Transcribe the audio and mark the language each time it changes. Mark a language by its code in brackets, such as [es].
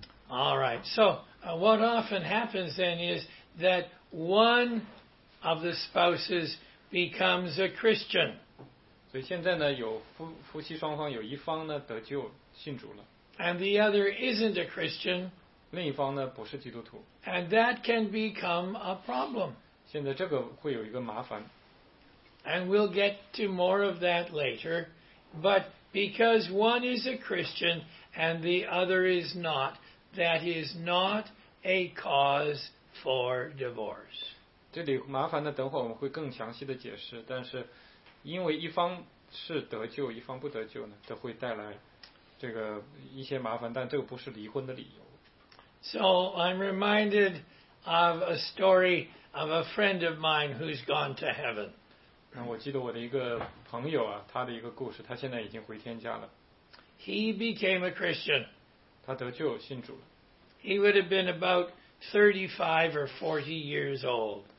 [en] All right. So, what often happens then is that one of the spouses becomes a Christian. [zh] 所以现在呢，有夫妻双方有一方呢得救信主了。 [en] And the other isn't a Christian. [zh] 另一方呢不是基督徒。 [en] And that can become a problem. [zh] 现在这个会有一个麻烦。 [en] And we'll get to more of that later. But because one is a Christian and the other is not, that is not a cause for divorce. [zh] 这里麻烦的，等会我们会更详细的解释。但是因为一方是得救，一方不得救呢，这会带来这个一些麻烦，但这个不是离婚的理由。 [en] So I'm reminded of a story of a friend of mine who's gone to heaven. [zh] 我记得我的一个朋友啊，他的一个故事，他现在已经回天家了。 [en] He became a Christian. [zh] 他得救信主了。 [en] He would have been about 35 or 40 years old.